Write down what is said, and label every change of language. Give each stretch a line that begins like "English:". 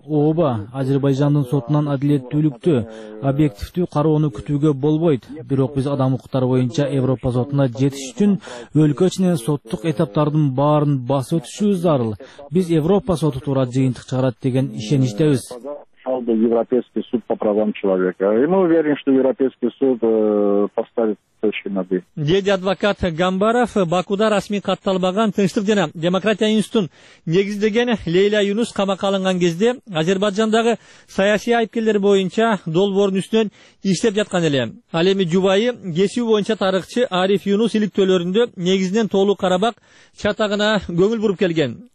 Kyrgyz: Ооба, Азербайжандын сотунан адилеттүүлүктү, объективдүү кароону күтүүгө болбойт. Бирок биз адам укуктары боюнча Европа сотуна жетиш үчүн өлкө ичинен соттук этаптардын баарын басып өтүшүбүз зарыл. Биз Европа соту туура жыйынтык чыгарат деген ишеничтебиз.
Russian: Европейский суд по правам человека. И мы уверены, что Европейский суд поставит точки над «и».
Kyrgyz: Деди адвокат Гамбаров Бакуда расмий катталбаган тынчтык жана демократия институтун негиздеген Лейла Юнус камакка алынган кезде Азербайджандагы саясий айыпкерлер боюнча долбоорун үстүнөн иштеп жаткан эле. Ал эми жубайы кесүү боюнча тарыхчы Ариф Юнус иликтөөлөрүндө негизинен Тоолу Карабак чатагына көңүл буруп келген.